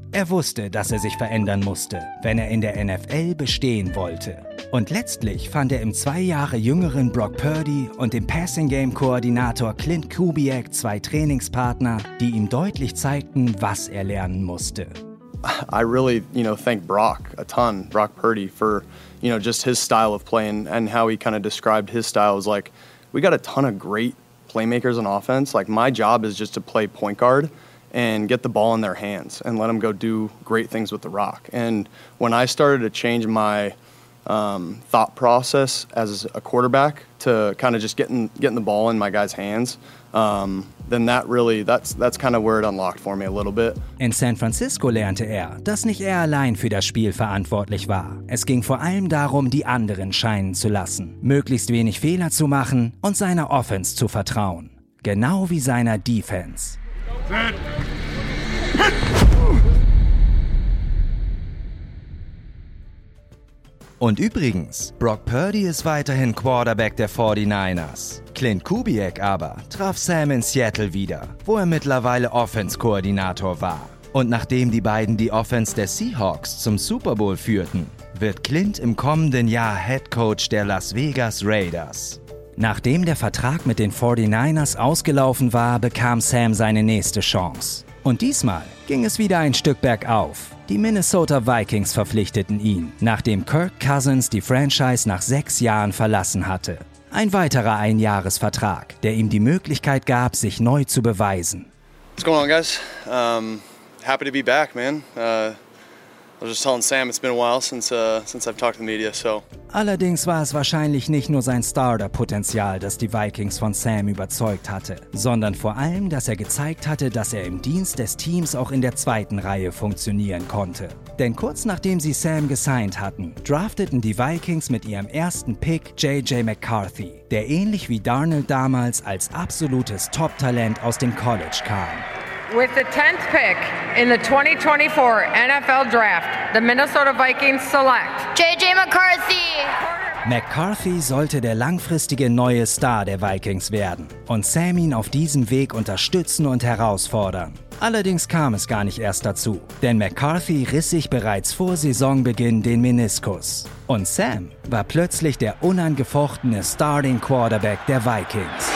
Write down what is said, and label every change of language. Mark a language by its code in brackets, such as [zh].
[de] Er wusste, dass er sich verändern musste, wenn er in der NFL bestehen wollte. Und letztlich fand er im zwei Jahre jüngeren Brock Purdy und dem Passing-Game-Koordinator Clint Kubiak zwei Trainingspartner, die ihm deutlich zeigten, was er lernen musste. [en] I really, you know, thank Brock a ton, Brock Purdy, for, you know, just his style of playing and how he kind of described his style. It was like, we got a ton of great playmakers on offense. Like, my job is just to play point guard and get the ball in their hands and let them go do great things with the rock. And when I started to change my thought process as a quarterback to kind of just getting the ball in my guys' hands, then that really, that's kind of where it unlocked for me a little bit. [de] In San Francisco lernte er, dass nicht er allein für das Spiel verantwortlich war. Es ging vor allem darum, die anderen scheinen zu lassen, möglichst wenig Fehler zu machen und seiner Offense zu vertrauen. Genau wie seiner Defense. Und übrigens, Brock Purdy ist weiterhin Quarterback der 49ers. Clint Kubiak aber traf Sam in Seattle wieder, wo er mittlerweile Offense-Koordinator war. Und nachdem die beiden die Offense der Seahawks zum Super Bowl führten, wird Clint im kommenden Jahr Head Coach der Las Vegas Raiders. Nachdem der Vertrag mit den 49ers ausgelaufen war, bekam Sam seine nächste Chance. Und diesmal ging es wieder ein Stück bergauf. Die Minnesota Vikings verpflichteten ihn, nachdem Kirk Cousins die Franchise nach 6 Jahren verlassen hatte. Ein weiterer Einjahresvertrag, der ihm die Möglichkeit gab, sich neu zu beweisen. [en] What's going on, guys? Happy to be back, man. I was just telling Sam, it's been a while since I've talked to the media, so. [de] Allerdings war es wahrscheinlich nicht nur sein Starter-Potenzial, das die Vikings von Sam überzeugt hatte, sondern vor allem, dass er gezeigt hatte, dass er im Dienst des Teams auch in der zweiten Reihe funktionieren konnte. Denn kurz nachdem sie Sam gesigned hatten, drafteten die Vikings mit ihrem ersten Pick J.J. McCarthy, der ähnlich wie Darnold damals als absolutes Top-Talent aus dem College kam. [en] With the 10th pick in the 2024 NFL Draft, the Minnesota Vikings select J.J. McCarthy. [de] McCarthy sollte der langfristige neue Star der Vikings werden und Sam ihn auf diesem Weg unterstützen und herausfordern. Allerdings kam es gar nicht erst dazu, denn McCarthy riss sich bereits vor Saisonbeginn den Meniskus. Und Sam war plötzlich der unangefochtene Starting Quarterback der Vikings.